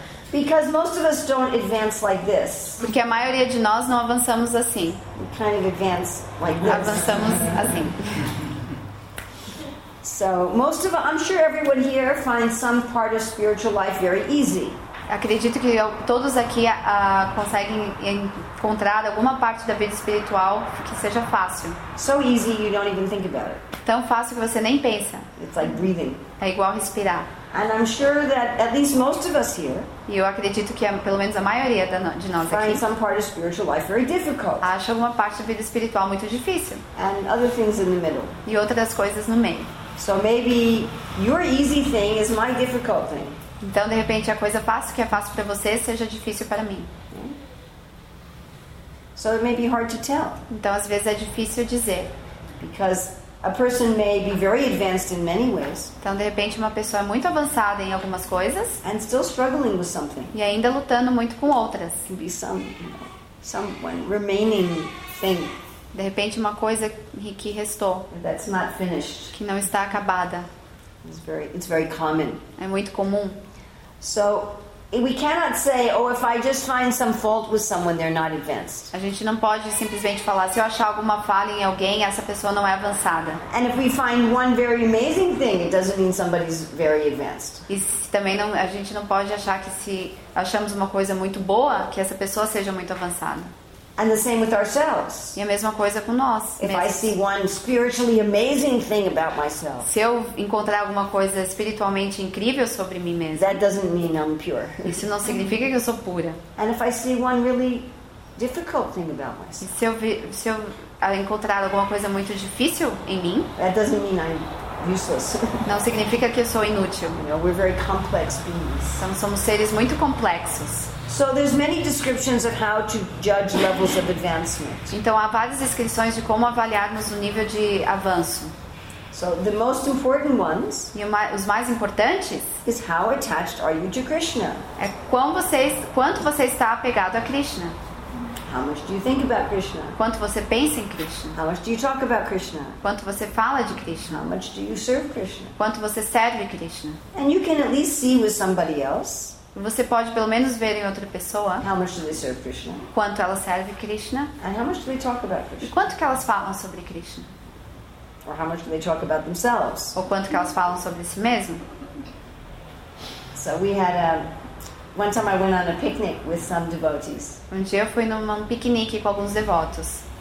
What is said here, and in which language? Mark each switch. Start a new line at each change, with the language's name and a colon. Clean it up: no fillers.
English: Because most of us don't advance like this.
Portuguese: Porque a maioria de nós não avançamos assim.
English: We kind of advance like this.
Portuguese: Avançamos assim.
English: So most of, I'm sure everyone here finds some part of spiritual life very easy.
Portuguese: Acredito que todos aqui conseguem encontrar alguma parte da vida espiritual que seja fácil.
English: So easy you don't even think about it.
Portuguese: Tão fácil que você nem pensa.
English: It's like breathing.
Portuguese: É igual respirar.
English: And I'm sure that at least most of us here.
Portuguese: E eu acredito que pelo menos a maioria de nós aqui.
English: Find some part of spiritual life very difficult.
Portuguese: Acha alguma parte da vida espiritual muito difícil.
English: And other things in the middle.
Portuguese: E outras coisas no meio.
English: So maybe your easy thing is my difficult thing.
Portuguese: Então, de repente, a coisa fácil que é fácil para você seja difícil para mim.
English: So it may be hard to tell.
Portuguese: Então, às vezes é difícil dizer.
English: Because a person may be very advanced in many ways.
Portuguese: Então, de repente, uma pessoa é muito avançada em algumas coisas.
English: And still struggling with something.
Portuguese: E ainda lutando muito com outras.
English: Can be some remaining thing.
Portuguese: De repente, uma coisa que restou.
English: That's not finished.
Portuguese: Que não está acabada.
English: It's very common.
Portuguese: É muito comum.
English: So we cannot say, oh, if I just find some fault with someone, they're not advanced.
Portuguese: A gente não pode simplesmente falar, se eu achar alguma falha em alguém, essa pessoa não é avançada.
English: And if we find one very amazing thing, it doesn't mean somebody's very advanced.
Portuguese: E também não, a gente não pode achar que se achamos uma coisa muito boa, que essa pessoa seja muito avançada.
English: And the same with ourselves.
Portuguese: E a mesma coisa com nós.
English: If I see one spiritually amazing thing about myself.
Portuguese: Se eu encontrar alguma coisa espiritualmente incrível sobre mim mesma.
English: That doesn't mean I'm pure.
Portuguese: Isso não significa que eu sou pura.
English: And if I see one really difficult thing about myself.
Portuguese: Se eu encontrar alguma coisa muito difícil em mim.
English: That doesn't mean I'm useless.
Portuguese: Não significa que eu sou inútil.
English: You know, we're very complex beings.
Portuguese: Então, somos seres muito complexos.
English: So there's many descriptions of how to judge levels of advancement.
Portuguese: Então há várias descrições de como avaliarmos o nível de avanço.
English: So the most important ones.
Portuguese: Os mais importantes.
English: Is how attached are you to Krishna?
Portuguese: É quanto você está apegado a Krishna?
English: How much do you think about Krishna?
Portuguese: Quanto você pensa em Krishna?
English: How much do you talk about Krishna?
Portuguese: Quanto você fala de Krishna?
English: How much do you serve Krishna?
Portuguese: Quanto você serve Krishna?
English: And you can at least see with somebody else.
Portuguese: Você pode pelo menos ver em outra pessoa
English: how much do they serve Krishna?
Portuguese: Quanto ela serve Krishna?
English: And how much do they talk about Krishna?
Portuguese: E quanto que elas falam sobre Krishna?
English: Or how much do they talk about themselves?
Portuguese: Ou quanto que elas falam sobre si mesmo?
English: So we had one time I went on a picnic with some devotees.
Portuguese: Um dia eu fui num piquenique com alguns devotos.